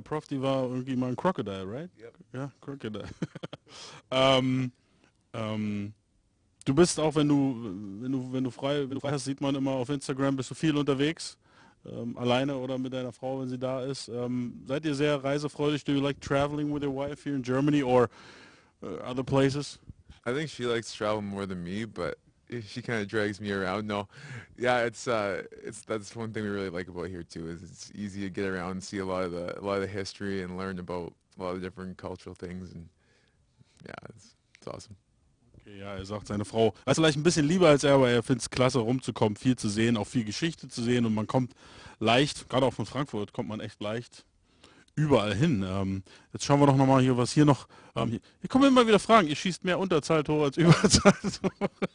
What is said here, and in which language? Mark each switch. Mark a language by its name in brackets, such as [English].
[German] Prof, die war irgendwie mal ein Crocodile, right? [English] Yep. [German] Ja, Crocodile. du bist auch, wenn du frei hast, sieht man immer auf Instagram, bist du viel unterwegs. Alleine oder mit deiner Frau, wenn sie da ist. Seid ihr sehr reisefreudig? [English] Do you like traveling with your wife here in Germany or other places? I think she likes to travel more than me, but she kind of drags me around. No, yeah, that's one thing we really like about here too, is it's easy to get around and see a lot of the history and learn about a lot of different cultural things, and yeah, it's awesome. [German] Ja, er sagt, seine Frau weiß vielleicht ein bisschen lieber als er, aber er findet es klasse, rumzukommen, viel zu sehen, auch viel Geschichte zu sehen, und man kommt leicht, gerade auch von Frankfurt, kommt man echt leicht überall hin. Jetzt schauen wir doch nochmal hier, was hier noch, hier kommen immer wieder Fragen, ihr schießt mehr Unterzahltore als Überzahltore.